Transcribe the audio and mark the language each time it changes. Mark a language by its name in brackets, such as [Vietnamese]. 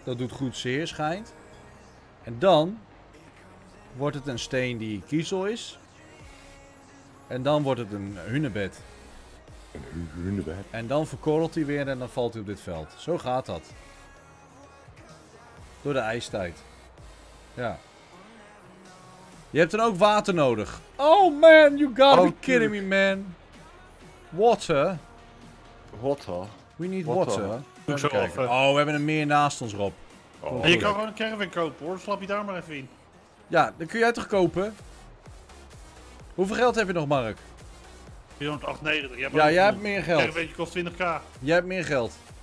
[Dutch] Dat doet goed zeer, schijnt. En dan wordt het een steen die kiezel is. En dan wordt het een hunebed. Een hunebed? En dan verkorrelt hij weer en dan valt hij op dit veld. Zo gaat dat. Door de ijstijd. Ja. Je hebt dan ook water nodig. [English] Oh man, you gotta be kidding me, man. Water. Water? We need water. [Dutch] Doe zo even. Oh, we hebben een meer naast ons, Rob. Oh. En je kan gewoon een caravan kopen hoor, slap je daar maar even in. Ja, dan kun jij toch kopen? Hoeveel geld heb je nog, Mark? 498. Ja, jij hebt meer geld. Een caravan kost 20k. Jij hebt meer geld.